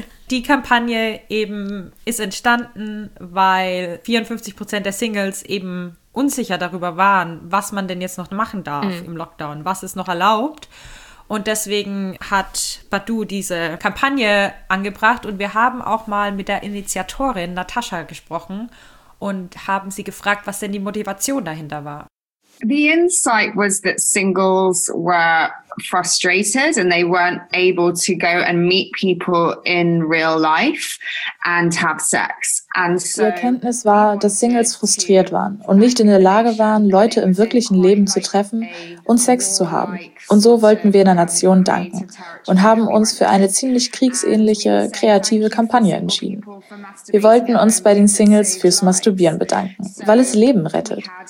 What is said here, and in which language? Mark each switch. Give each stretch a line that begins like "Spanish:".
German: Die Kampagne eben ist entstanden, weil 54% der Singles eben unsicher darüber waren, was man denn jetzt noch machen darf im Lockdown, was ist noch erlaubt. Und deswegen hat Badoo diese Kampagne angebracht und wir haben auch mal mit der Initiatorin Natascha gesprochen und haben sie gefragt, was denn die Motivation dahinter war.
English: The insight was that singles were frustrated and they weren't able to go and meet people in real life and have sex. And so
German: die Erkenntnis war, dass Singles frustriert waren und nicht in der Lage waren, Leute im wirklichen Leben zu treffen und Sex zu haben. Und so wollten wir der Nation danken und haben uns für eine ziemlich kriegsähnliche, kreative Kampagne entschieden. Wir wollten uns bei den Singles fürs Masturbieren bedanken, weil es Leben rettet.